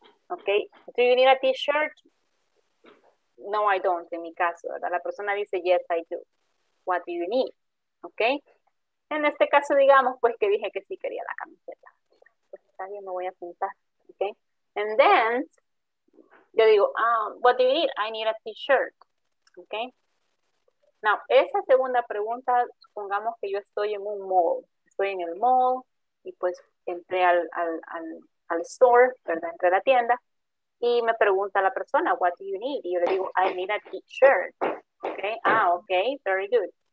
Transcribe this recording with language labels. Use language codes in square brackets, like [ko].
[en] Okay, do you need a t-shirt? No, I don't, en mi caso, ¿verdad? La persona dice, yes, I do. What do you need? Okay. [es] En este caso, digamos, pues, que dije que sí quería la camiseta. Pues, está bien, me voy a apuntar, ¿ok? [en] And then, yo digo, what do you need? I need a t-shirt, ¿ok? [es] Now, esa segunda pregunta, supongamos que yo estoy en un mall. Estoy en el mall y, pues, entré al store, ¿verdad? Entré a la tienda y me pregunta la persona, what do you need? [en] Y yo le digo, I need a t-shirt, ¿ok? Ah, ok, very good.